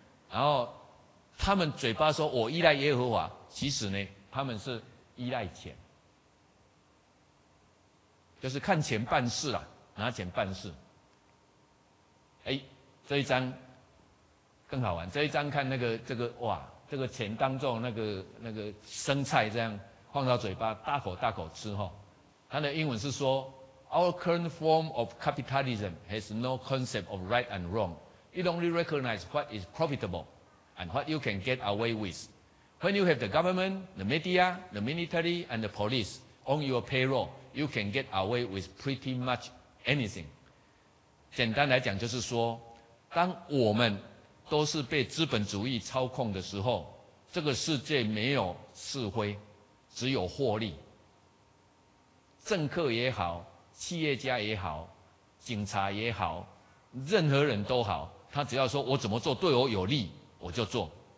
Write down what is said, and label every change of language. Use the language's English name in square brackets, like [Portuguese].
[Chinese] 然后他们嘴巴说我依赖耶和华，其实呢他们是依赖钱，就是看钱办事啦，拿钱办事。这一张更好玩，这一张看那个这个哇，这个钱当作那个生菜这样放到嘴巴大口大口吃齁。他的英文是说 [English] Our current form of capitalism has no concept of right and wrong. It only recognizes what is profitable and what you can get away with. When you have the government, the media, the military and the police on your payroll,You can get away with pretty much anything. [Chinese] 简单来讲就是说，当我们都是被资本主义操控的时候，这个世界没有是非，只有获利。政客也好，企业家也好，警察也好，任何人都好，他只要说我怎么做对我有利，我就做。